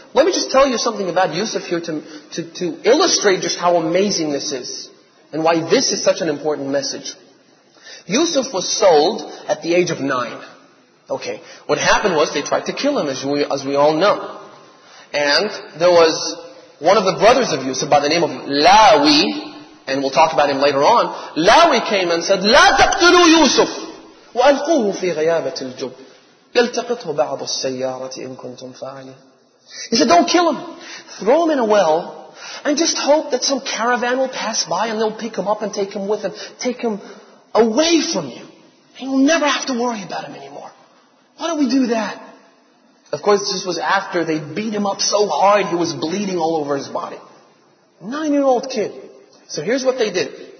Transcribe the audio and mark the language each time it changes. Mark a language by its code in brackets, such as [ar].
[en] Let me just tell you something about Yusuf here to illustrate just how amazing this is and why this is such an important message. Yusuf was sold at the age of 9. Okay, what happened was they tried to kill him, as we all know. And there was one of the brothers of Yusuf by the name of Lawi, and we'll talk about him later on. Lawi came and said, [ar] لَا تَقْتُلُوا يُوسُفْ وَأَلْقُوهُ فِي غَيَابَةِ الْجُبِّ يَلْتَقِطْهُ بَعْضُ السَّيَّارَةِ إِن كُنْتُمْ فَاعِلِينَ. [en] He said, don't kill him. Throw him in a well and just hope that some caravan will pass by and they'll pick him up and take him with them. Take him away from you. And you'll never have to worry about him anymore. Why don't we do that? Of course, this was after they beat him up so hard he was bleeding all over his body. 9-year-old kid. So here's what they did.